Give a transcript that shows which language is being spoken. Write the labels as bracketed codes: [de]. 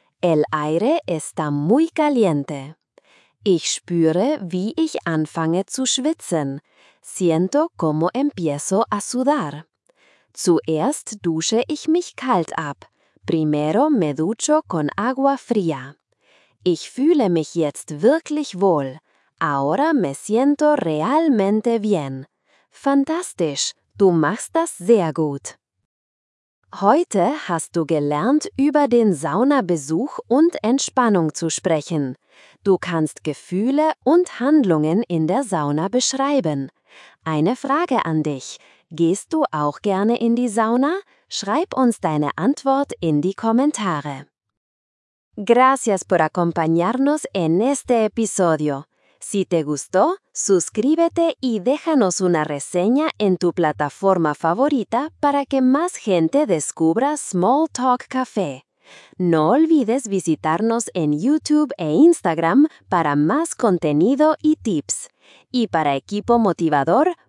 [es] El aire está muy caliente. [de] Ich spüre, wie ich anfange zu schwitzen. [es] Siento como empiezo a sudar. [de] Zuerst dusche ich mich kalt ab. [es] Primero me ducho con agua fría. [de] Ich fühle mich jetzt wirklich wohl. [es] Ahora me siento realmente bien. [de] Fantastisch, du machst das sehr gut. Heute hast du gelernt, über den Saunabesuch und Entspannung zu sprechen. Du kannst Gefühle und Handlungen in der Sauna beschreiben. Eine Frage an dich. Gehst du auch gerne in die Sauna? Schreib uns deine Antwort in die Kommentare. [es] Gracias por acompañarnos en este episodio. Si te gustó, suscríbete y déjanos una reseña en tu plataforma favorita para que más gente descubra Small Talk Café. No olvides visitarnos en YouTube e Instagram para más contenido y tips. Y para Equipo Motivador,